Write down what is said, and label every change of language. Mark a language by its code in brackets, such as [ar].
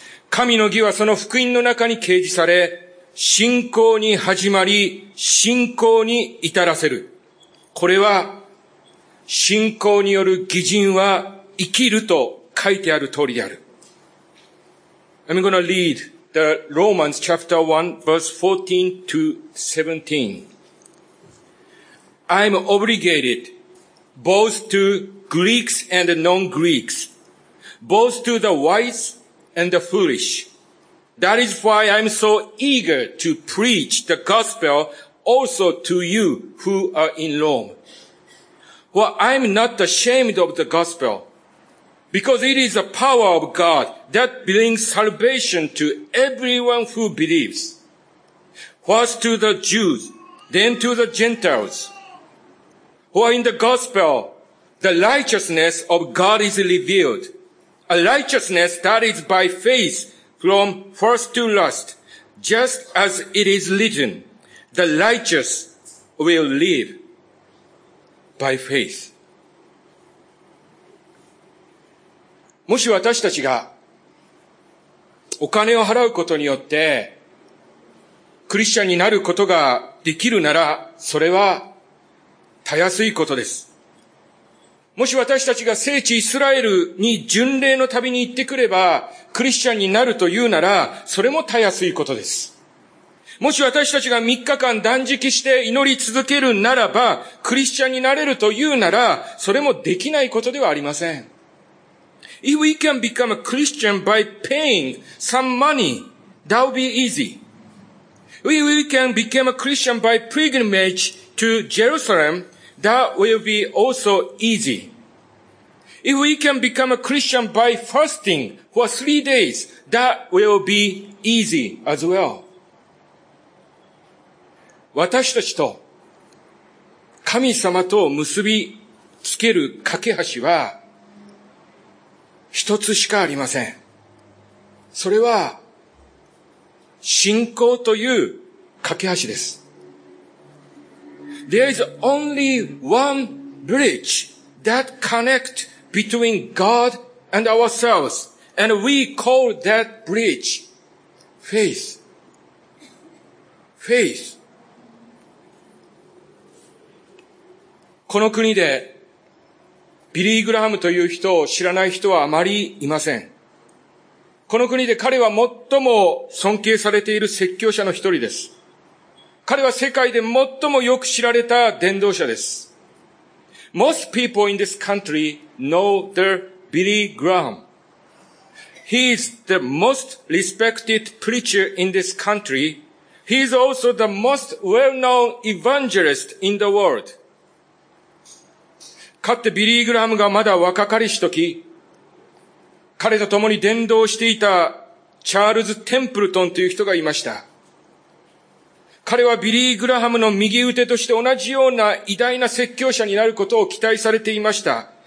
[ja] 神の義はその福音の中に掲示され、信仰に始まり信仰に至らせる。これは信仰による義人は生きると書いてある通りである。 [en] I'm going to read the Romans chapter 1 verse 14 to 17. I'm obligated both to Greeks and non-Greeks, both to the wise and the foolish. That is why I'm so eager to preach the gospel also to you who are in Rome. For I'm not ashamed of the gospel, because it is the power of God that brings salvation to everyone who believes. First to the Jews, then to the Gentiles. For in the gospel, the righteousness of God is revealed, a righteousness that is by faith from first to last, just as it is written, the righteous will live by faith. [ja] もし私たちがお金を払うことによってクリスチャンになることができるなら、それはたやすいことです。もし私たちが聖地イスラエルに巡礼の旅に行ってくればクリスチャンになるというなら、それもたやすいことです。もし私たちが3日間断食して祈り続けるならばクリスチャンになれるというなら、それもできないことではありません。 [en] If we can become a Christian by paying some money, that would be easy. If we can become a Christian by pilgrimage to Jerusalem, that will be also easy. If we can become a Christian by fasting for 3 days, that will be easy as well. [ja] 私たちと神様とを結びつける架け橋は一つしかありません。それは信仰という架け橋です。 [en] There is only one bridge that connects between God and ourselves, and we call that bridge faith. Faith. [ja] この国でビリー・グラハムという人を知らない人はあまりいません。この国で彼は最も尊敬されている説教者の一人です。彼は世界で最もよく知られた伝道者です。 [en] Most people in this country know the Billy Graham. He is the most respected preacher in this country. He is also the most well-known evangelist in the world. [ja] かつてビリー・グラハムがまだ若かりしとき、彼と共に伝道していたチャールズ・テンプルトンという人がいました。彼はビリー・グラハムの右腕として同じような偉大な説教者になることを期待されていました。